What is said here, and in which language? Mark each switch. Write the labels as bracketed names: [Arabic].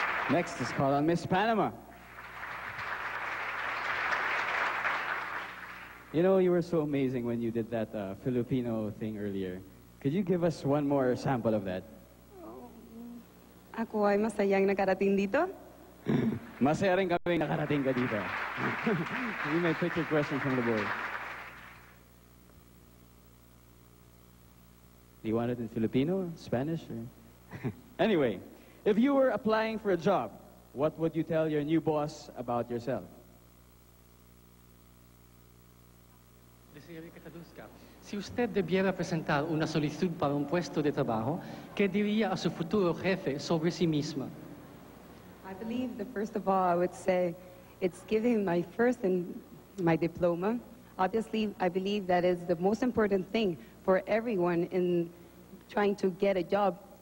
[English] Next is called on Ms. Panama. You know, you were so amazing when you did that Filipino thing earlier. Could you give us one more sample of that? [Filipino] Ako ay masayang nakarating dito. Masaya rin kami nakarating ka dito. [English] You may put your question from the board. Do you want it in Filipino, Spanish, or? Anyway, if you were applying for a job, what would you tell your new boss about yourself? [Spanish] Si usted debiera presentar una solicitud para un puesto de trabajo, ¿qué diría a su futuro jefe sobre sí misma? [English] I believe that first of all, I would say it's giving my first and my diploma. Obviously, I believe that is the most important thing for everyone in trying to get a job.